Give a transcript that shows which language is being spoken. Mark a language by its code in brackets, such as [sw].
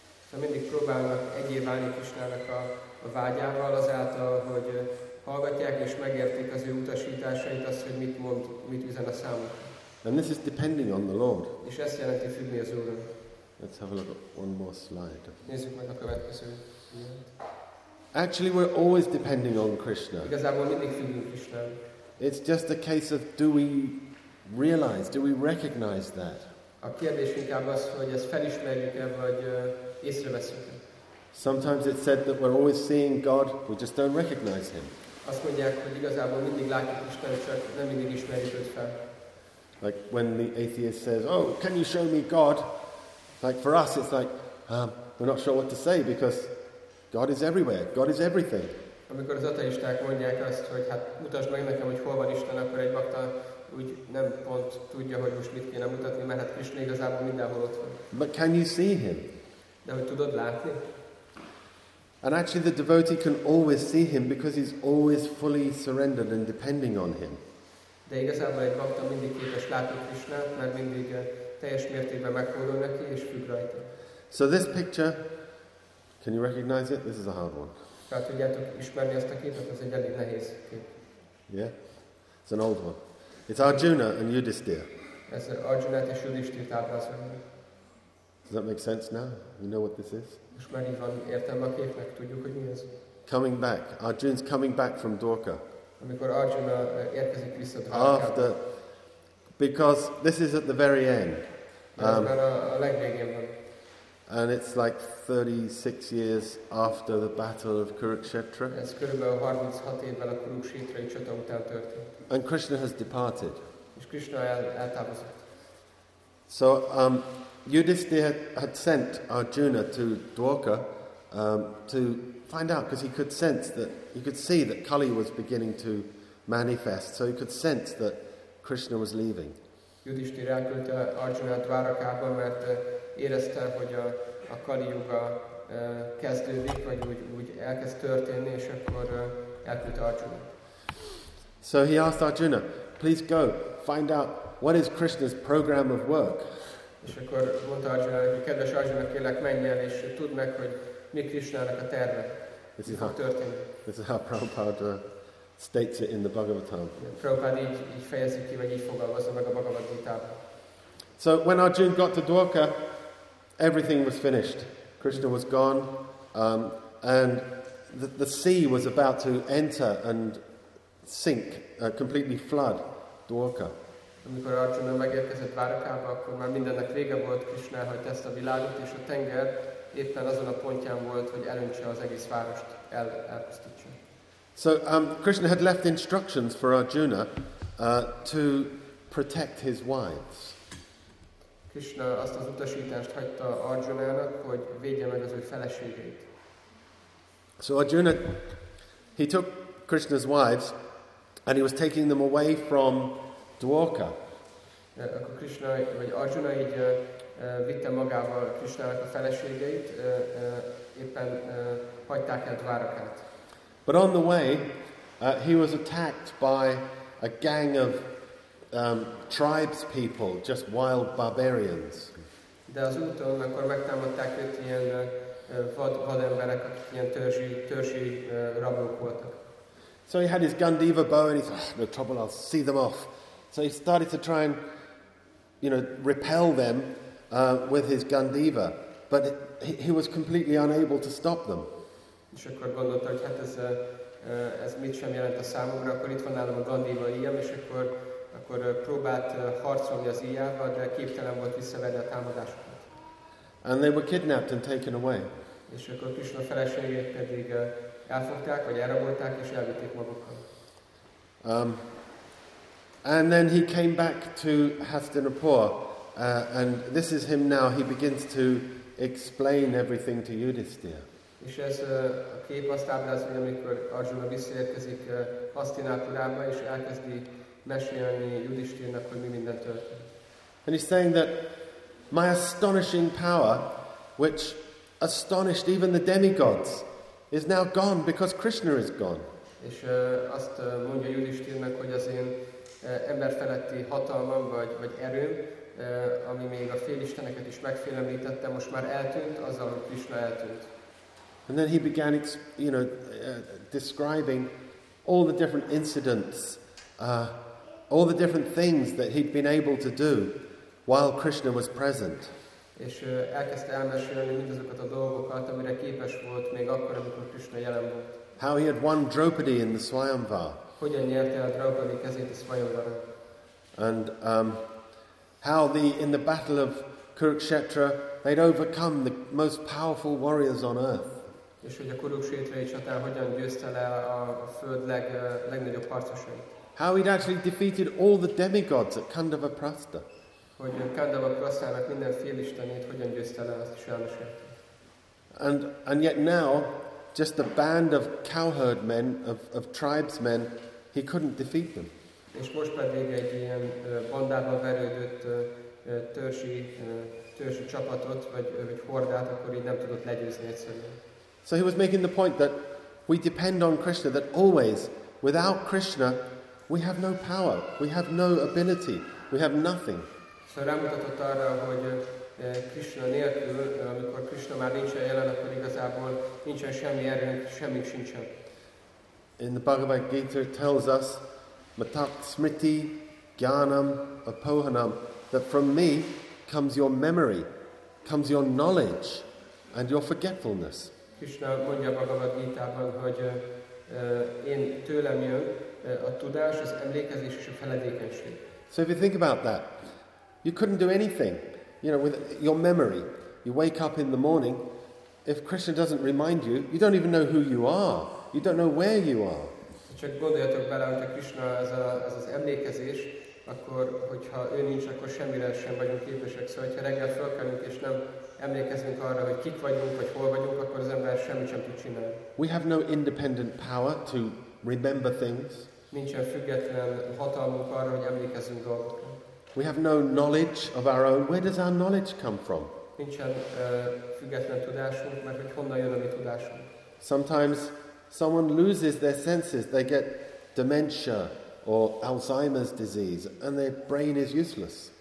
[hu] So mindig próbálnak egyéválni Krishnának a vágyával azáltal, hogy hallgatják és megértik az ő utasításait, azt, hogy mit mond, mit üzen a számukra. [en] And this is depending on the Lord. [hu] És ezt jelenti függni az Úrra. [en] Let's have a look at one more slide. [hu] Nézzük meg a következő. [en] Actually, we're always depending on Krishna. [hu] Igazából mindig függünk Krishnára. [en] It's just a case of do we realize, do we recognize that? [hu] A kérdés inkább az, hogy ezt felismerjük-e, vagy észreveszünk-e. [en] Sometimes it's said that we're always seeing God, we just don't recognize him. [hu] Azt mondják, hogy igazából mindig látjuk Istenet, csak nem mindig ismerjük őt fel. [en] Like when the atheist says, oh, can you show me God? Like for us, it's like, we're not sure what to say, because God is everywhere, God is everything. [hu] Amikor az ateisták mondják azt, hogy hát mutasd meg nekem, hogy hol van Isten, akkor egy bakta úgy nem pont tudja, hogy most mit kéne mutatni, mert hát Krishna igazából mindenhol ott van. [en] But can you see him? [hu] De hogy tudod látni? [en] And actually the devotee can always see him, because he's always fully surrendered and depending on him. [hu] De igazából egy bakta mindig képes látni Krishnát, mert mindig teljes mértékben megfordul neki és függ rajta. [en] So this picture, can you recognize it? This is a hard one. [hu] Tehát tudjátok ismerni ezt a képet, ez egy elég nehéz kép. [en] Yeah, it's an old one. It's Arjuna and Yudhisthira. [hu] Ez Arjuna és Yudhisthira táplálkozik. [en] Does that make sense now? You know what this is? [hu] Most már így van értelme a képnek, tudjuk, hogy mi ez. [en] Coming back. Arjuna's coming back from Dwarka. [hu] Amikor Arjuna érkezik vissza Dwarkába. [en] After, because this is at the very end. [hu] A legvégén van. [en] And it's like 36 years after the battle of Kurukshetra. [hu] Ez körülbelül 36 évvel a Kurukshetra csata után történt. [en] And Krishna has departed. [hu] És Krishna eltávozott. [en] So Yudhisthira had sent Arjuna to Dwarka to find out, because he could sense that, he could see that Kali was beginning to manifest, so he could sense that Krishna was leaving. [hu] Yudhisthira elküldte Arjuna Dwarakába, mert érezte, hogy a Kali Yuga kezdődik, vagy úgy elkezd történni, és akkor elküldte Arjuna. [en] So he asked Arjuna, please go, find out what is Krishna's program of work. [hu] És akkor mondta Arjuna, hogy kedves Arjuna, kérlek menj el, és tudd meg, hogy mi Krishnának a terve. [en] This is how Prabhupada states it in the Bhagavatam. [hu] Prabhupada így fejezi ki, vagy így fogalmazza meg a Bhagavad Gita-ban. [en] So when Arjuna got to Dwarka, everything was finished. Krishna was gone, and the sea was about to enter and sink, completely flood Dwarka. [hu] Amikor Arjuna megérkezett Dwarakába, akkor már mindennek vége volt, Krishna elhagyta ezt a világot, és a tenger éppen azon a pontján volt, hogy elöntse az egész várost, elpusztítsa. [en] So Krishna had left instructions for Arjuna to protect his wives. [hu] Krishna azt az utasítást hagyta Arjunának, hogy védje meg az ő feleségeit. [en] So Arjuna, he took Krishna's wives, and he was taking them away from Dwarka. [hu] Akkor Krishna, vagy Arjuna így vitte magával Krishnának a feleségeit, éppen hagyták el Dwarakát. [en] But on the way, he was attacked by a gang of tribes people, just wild barbarians. [hu] De az úton, akkor megtámadták őt ilyen vad emberek, akik ilyen törzsi rabok voltak. [en] So he had his Gandiva bow and he said, no trouble, I'll see them off. So he started to try and, you know, repel them with his Gandiva, but he was completely unable to stop them. [hu] És akkor gondolta, hogy hát ez mit sem jelent a számomra, akkor itt van nálam a Gandiva ilyen, és akkor próbált harcolni az ilyával, de képtelen volt visszaverni a támadásokat. [en] And they were kidnapped and taken away. [hu] És akkor Krishna feleségét pedig elfogták, vagy elrabolták, és elvitték magukkal. [en] And then he came back to Hastinapur, and this is him now. He begins to explain everything to Yudhisthira. [hu] És ez a kép azt ábrázolja, hogy amikor Arjuna visszaérkezik Hastinapurába, és elkezdi mesélni Yudhisthirának, hogy mi minden történt. [en] And he's saying that my astonishing power, which astonished even the demigods, is now gone because Krishna is gone. [hu] És azt mondja Yudhisthirának, hogy az én emberfeletti hatalmam vagy erőm, ami még a félisteneket is megfélemlítette, most már eltűnt, azzal, hogy Krishna eltűnt. [en] And then he began, you know, describing all the different incidents, all the different things that he'd been able to do while Krishna was present. [hu] És elkezdte elmesélni mindazokat a dolgokat, amire képes volt még akkor, amikor Krishna jelen volt. [en] How he had won Draupadi in the Swayamvar. [hu] Hogyan nyerte a Draupadi kezét a Swayamvar. [en] And how in the battle of Kurukshetra they'd overcome the most powerful warriors on earth. [hu] És hogy a Kurukshetrai csatán hogyan győzte le a föld legnagyobb harcosait. [en] How he'd actually defeated all the demigods at Kandavaprastha. [hu] Hogy Kandavaprasthának minden félistenét hogyan győzte le, azt is elmesélte. [en] And yet now, just a band of cowherd men, of tribesmen, he couldn't defeat them. [hu] És most pedig egy ilyen bandába verődött törzsi csapatot, vagy hordát, akkor így nem tudott legyőzni egyszerűen. [en] So he was making the point that we depend on Krishna, that always, without Krishna, we have no power, we have no ability, we have nothing. [hu] So rámutatott arra, hogy Krishna nélkül, amikor Krishna már nincsen jelen, akkor igazából nincsen semmi erőnk, semmi sincsen. [en] In the Bhagavad Gita it tells us, [sa] matak smriti gyanam apohanam, [en] that from me comes your memory, comes your knowledge and your forgetfulness. [hu] Krishna mondja Bhagavad Gita-ban, hogy én tőlem jön a tudás, az emlékezés és a feledékenység. [en] So if you think about that, you couldn't do anything, you know, with your memory. You wake up in the morning, if Krishna doesn't remind you, you don't even know who you are. You don't know where you are. [hu] Csak gondoljatok bele, hogy a Krishna ez az emlékezés, akkor, hogyha ő nincs, akkor semmire sem vagyunk képesek. Szóval, hogyha reggel felkelünk és nem emlékezünk arra, hogy kik vagyunk, vagy hol vagyunk, akkor az ember semmit sem tud csinálni. [en] We have no independent power to remember things. [hu] Nincsen független hatalmunk arra, hogy emlékezzünk dolgokra. [en] We have no knowledge of our own. Where does our knowledge come from? [hu] Nincsen független tudásunk, mert hogy honnan jön a mi tudásunk. [en] Sometimes someone loses their senses, they get dementia or Alzheimer's disease, and their brain is useless.